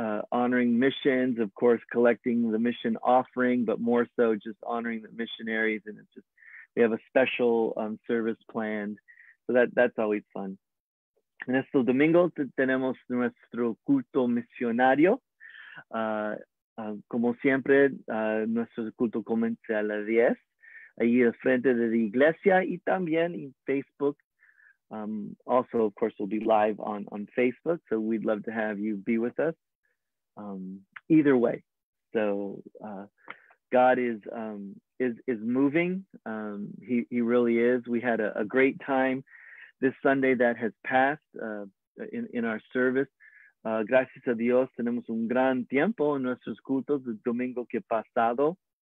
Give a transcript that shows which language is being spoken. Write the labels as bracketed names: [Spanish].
[English] Honoring missions, of course, collecting the mission offering, but more so just honoring the missionaries. And it's just, we have a special service planned. So that's always fun. [Spanish] En este domingo tenemos nuestro culto misionario. Como siempre, nuestro culto comienza a las 10, ahí al frente de la iglesia y también en Facebook. [English] Also, of course, we'll be live on Facebook, so we'd love to have you be with us either way. So God is moving. He really is. We had a great time this Sunday that has passed in our service. [Spanish] Gracias a Dios, tenemos un gran tiempo en nuestros cultos el domingo que pasado.